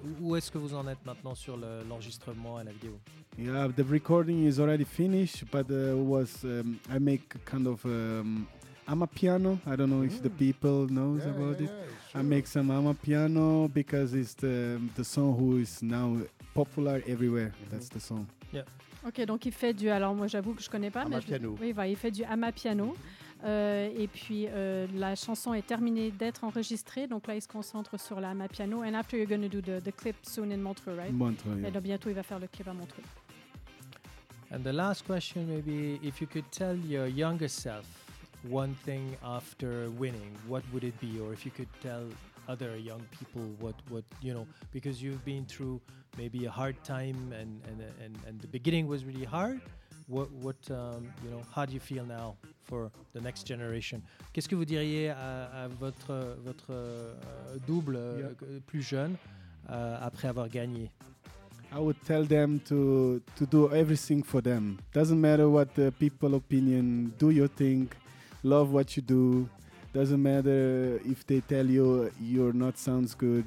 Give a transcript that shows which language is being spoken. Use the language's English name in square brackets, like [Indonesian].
[French] Où est-ce que vous en êtes maintenant sur l'enregistrement et la vidéo? [English] Yeah, the recording is already finished, but I make kind of amapiano. I don't know if the people knows about it. Sure. I make some amapiano because it's the song who is now popular everywhere. Mm-hmm. That's the song. Yeah. [French] Ok, donc il fait du. Alors moi j'avoue que je connais pas, amapiano. Mais oui, il fait du amapiano. Et puis la chanson est terminée d'être enregistrée, donc là il se concentre sur la ma piano. [English] And after you're going to do the clip soon in Montreux, right? Montreux. [French] Et donc bientôt il va faire le clip à Montreux. [English] And the last question, maybe if you could tell your younger self one thing after winning, what would it be? Or if you could tell other young people what you know, because you've been through maybe a hard time and the beginning was really hard. What how do you feel now for the next generation? [French] Qu'est-ce que vous diriez à votre double plus jeune après avoir gagné? [English] I would tell them to do everything for them. Doesn't matter what the people opinion. Do your thing. Love what you do. Doesn't matter if they tell you you're not sounds good.